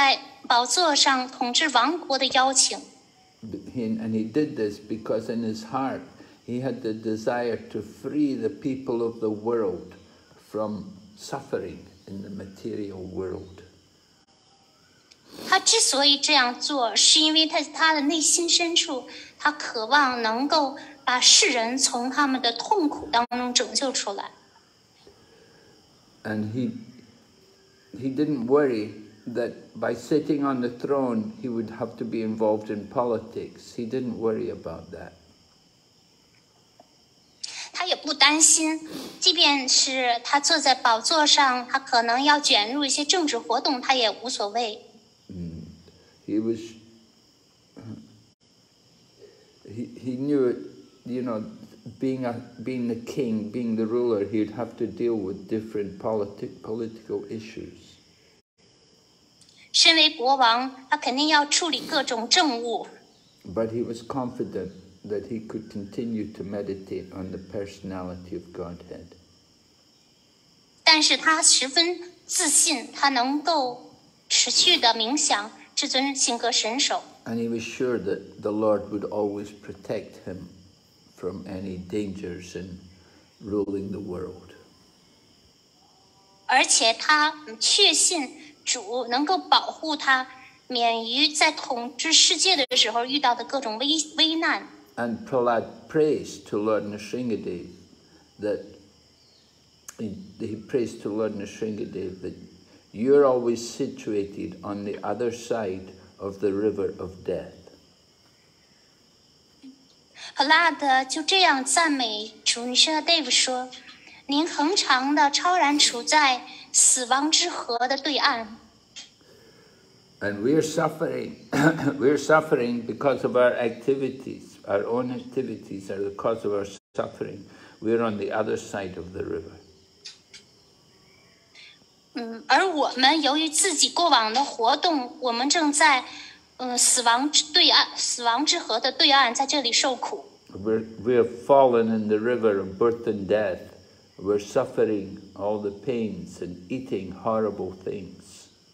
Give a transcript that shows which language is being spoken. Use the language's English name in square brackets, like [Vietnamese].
[Chinese] 但他却接受了这个坐在宝座上统治王国的邀请。 [English] And he did this because in his heart he had the desire to free the people of the world from suffering in the material world. [Chinese] 他之所以这样做，是因为他的内心深处，他渴望能够把世人从他们的痛苦当中拯救出来。 [English] And he didn't worry that by sitting on the throne, he would have to be involved in politics. He didn't worry about that. [Chinese] 他也不担心，即便是他坐在宝座上，他可能要卷入一些政治活动，他也无所谓。 [English] He knew it, you know, being the king, being the ruler, he'd have to deal with different political issues. [Chinese] 身为国王，他肯定要处理各种政务。 [English] But he was confident that he could continue to meditate on the personality of Godhead. [Chinese] 但是他十分自信，他能够持续的冥想至尊性格神手。 [English] And he was sure that the Lord would always protect him from any dangers in ruling the world. [Chinese] 而且他确信主能够保护他，免于在统治世界的时候遇到的各种危难。 [English] And Prahlad prays to Lord Nrisingadev that he prays to Lord Nrisingadev that you're always situated on the other side. Of the river of death. [Chinese] Prahlad 就这样赞美主尼舍德夫说：“您恒常的超然处在死亡之河的对岸。” [English] And we're suffering. We're suffering because of our activities. Our own activities are the cause of our suffering. We're on the other side of the river. [Chinese] 而我们由于自己过往的活动，我们正在。死亡之对岸，死亡之河的对岸，在这里受苦。 [English] We're fallen in the river of birth and death. We're suffering all the pains and eating horrible things.